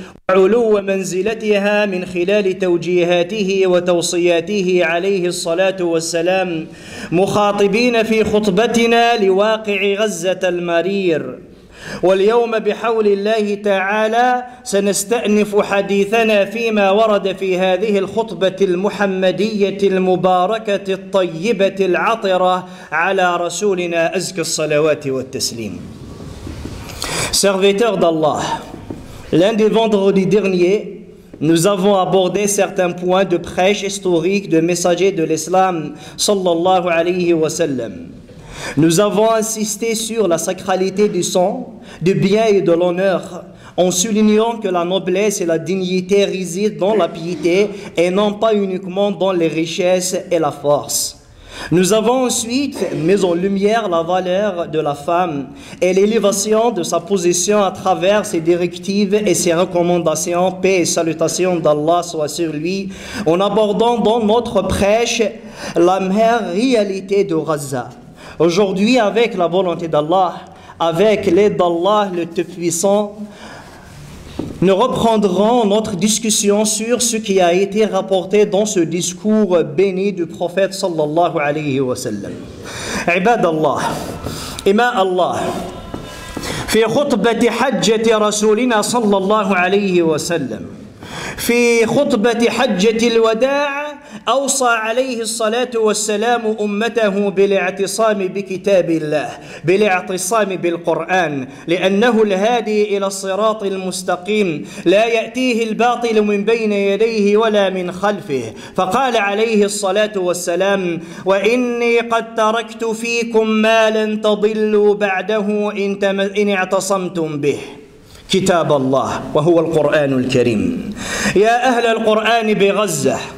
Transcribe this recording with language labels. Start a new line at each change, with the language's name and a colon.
Arabic: وعلو منزلتها من خلال توجيهاته وتوصياته عليه الصلاة والسلام مخاطبين في خطبتنا لواقع غزة المرير واليوم بحول الله تعالى سنستأنف حديثنا فيما ورد في هذه الخطبة المحمدية المباركة الطيبة العطرة على رسولنا أزكى الصلوات والتسليم.
French: Serviteur d'Allah, lundi vendredi dernier, nous avons abordé certains points de prêche historique de messager de l'islam sallallahu alayhi wa sallam. Nous avons insisté sur la sacralité du sang, du bien et de l'honneur, en soulignant que la noblesse et la dignité résident dans la piété et non pas uniquement dans les richesses et la force. Nous avons ensuite mis en lumière la valeur de la femme et l'élévation de sa position à travers ses directives et ses recommandations, paix et salutations d'Allah soit sur lui, en abordant dans notre prêche la mère réalité de Gaza. Aujourd'hui, avec la volonté d'Allah, avec l'aide d'Allah le Tout-Puissant, nous reprendrons notre discussion sur ce qui a été rapporté dans ce discours béni du prophète sallallahu alayhi wa sallam.
Arabic: Ibad Allah, Ima Allah, في خطبة حجة رسولنا صلى الله عليه وسلم في خطبة حجة الوداع أوصى عليه الصلاة والسلام أمته بالاعتصام بكتاب الله بالاعتصام بالقرآن لأنه الهادي إلى الصراط المستقيم لا يأتيه الباطل من بين يديه ولا من خلفه فقال عليه الصلاة والسلام وإني قد تركت فيكم ما لن تضلوا بعده إن اعتصمتم به كتاب الله وهو القرآن الكريم يا أهل القرآن بغزة